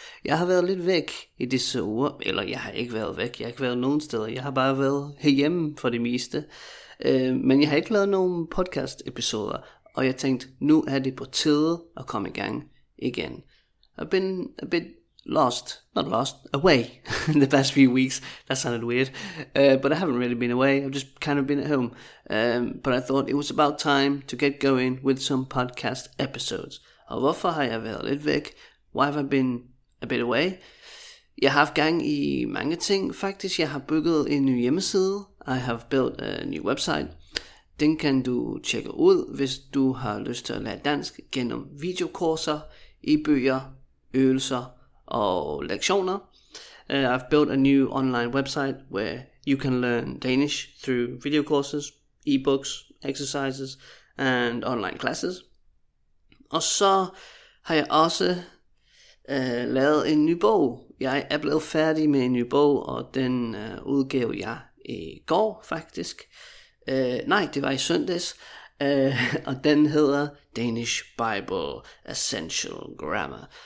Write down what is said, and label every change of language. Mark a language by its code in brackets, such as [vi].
[da] Jeg har været lidt væk i disse uger, eller jeg har ikke været væk, jeg har ikke været nogen steder, jeg har bare været herhjemme for det meste, men jeg har ikke lavet nogen podcast-episoder, og jeg tænkte, nu er det på tide at komme i gang igen. [en] I've been a bit lost, not lost, away in the past few weeks, that sounded weird, but I haven't really been away, I've just kind of been at home, but I thought it was about time to get going with some podcast episodes. [da] Og hvorfor har jeg været lidt væk? [en] Why have I been a bit away? [da] Jeg har haft gang i mange ting. Faktisk, jeg har bygget en ny hjemmeside. [en] I have built a new website. [da] Den kan du tjekke ud, hvis du har lyst til at lære dansk gennem videokurser, e-bøger, øvelser og lektioner. [en] I've built a new online website where you can learn Danish through video courses, e-books, exercises and online classes. [da] Og så har jeg også lavet en ny bog. Jeg er blevet færdig med en ny bog, og den udgav jeg i går faktisk. Nej, det var i søndags, og den hedder Danish Bible Essential Grammar.